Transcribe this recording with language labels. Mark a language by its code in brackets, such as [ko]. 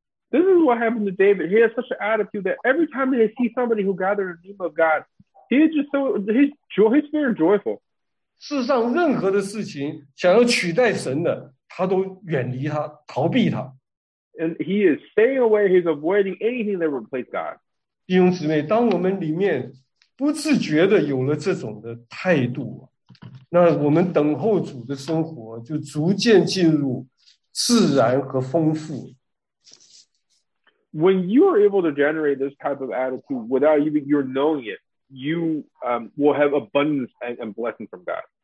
[en] This is what happened to David. He has such an attitude that every time he sees somebody who gathered in the name of God, he's very joyful. [zh] 世上任何的事情想要取代神的，他都远离他，逃避他。 [en] And he is staying away, he's avoiding anything that replaces God. [zh] 弟兄姊妹，当我们里面不自觉的有了这种的态度，那我们等候主的生活就逐渐进入自然和丰富。 [en] When you are able to generate this type of attitude without even you knowing it, you will have abundance and blessing from God.